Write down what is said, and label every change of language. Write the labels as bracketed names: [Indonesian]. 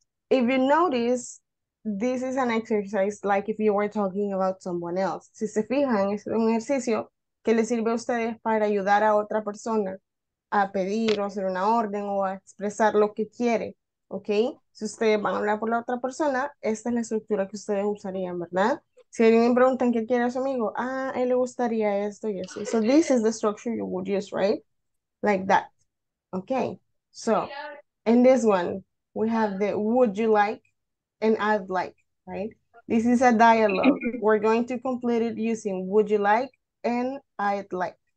[English] If you notice, this is an exercise like if you were talking about someone else. [Spanish] Si se fijan, es un ejercicio que le sirve a ustedes para ayudar a otra persona a pedir o hacer una orden o a expresar lo que quiere, ¿ok? Si ustedes van a hablar por la otra persona, esta es la estructura que ustedes usarían, ¿verdad? Si alguien me pregunta qué quiere a su amigo, ah, él le gustaría esto y eso. [English] So this is the structure you would use, right? Like that. Okay. So in this one, we have the would you like and I'd like, right? This is a dialogue. We're going to complete it using would you like and I'd like.